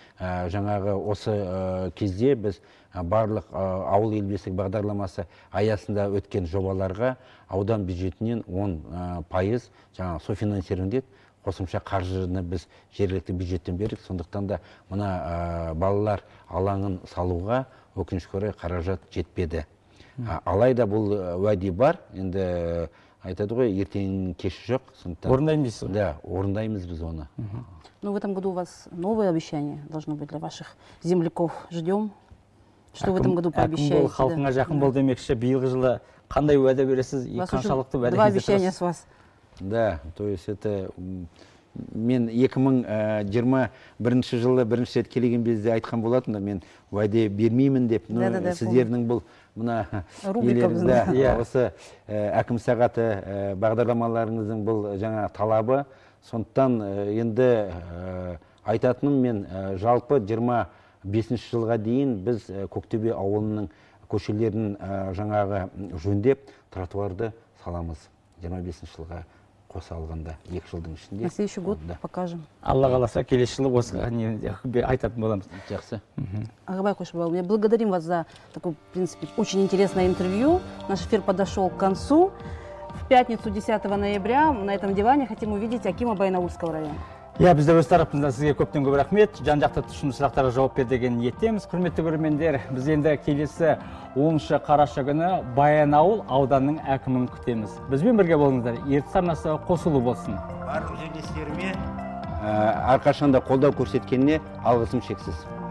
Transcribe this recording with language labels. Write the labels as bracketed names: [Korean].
[Kazakh] Жаңағы осы кезде біз барлық ауыл ел бесігі бағдарламасы аясында өткен жобаларға аудан бюджетінен 10% жаңа софинансирование қосымша қаржыны біз жергілікті бюджеттен бердік. Сондықтан да мына балалар алаңын салуға өкінішке орай қаражат жетпеді. Алайда бұл уәде бар, енді айтады ғой, ертең кеші жоқ. Сондықтан орындаймыз. Да, орындаймыз біз оны. [Russian] Ну, в этом году у вас новое обещание должно быть для ваших земляков. Ждем, что в этом году пообещаете. [Kazakh] Әкім бол, халқыңа жақын бол демекші, биылғы жылы қандай уәде бересіз, и қаншалықты уәде [Russian] кезе. Два обещания с вас. Да, то есть это... [Kazakh] Мен 2021 жылы бірінші рет келген бізде айтқан болатын, мен уәде бермеймін деп. [Russian] Да, да, да. [Kazakh] Сіздердің бұл... Мына рубрикамызда осы әкім сағаты бағдарламаларыңыздың бұл жаңа талабы. Сондықтан енді айтатыным, мен жалпы 25 жылға дейін біз Көктөбе ауылының көшелерін жаңағы жөндеп тротуарды саламыз. 25 жылға қоса алғанда, екі жылдың ішінде. [Russian] На следующий год покажем. [Kazakh] Алла қаласа, келесі жылы осыған айтатын боламыз. Жақсы. [Russian] Ағабай Қошбалы, мы благодарим вас за такое, в принципе, очень интересное интервью. Наш эфир подошел к концу. в пятницу 10 ноября на этом диване хотим увидеть Акима Байнаульского района. [Kazakh] Я бизде өз тарапымыздан сізге көптен көп рахмет. Жан-жақты түсіндіру сұрақтарға жауап бер деген ниеттеміз. Құрметті көрермендер, біз енді келесі 10 қараша күні Баянауыл ауданының әкімін күтеміз. Бізбен бірге болыңыздар. Ертіс арнасы қосулы болсын. Барлық жерлестеріме әрқашан да қолдау көрсеткеніне алғысым шексіз.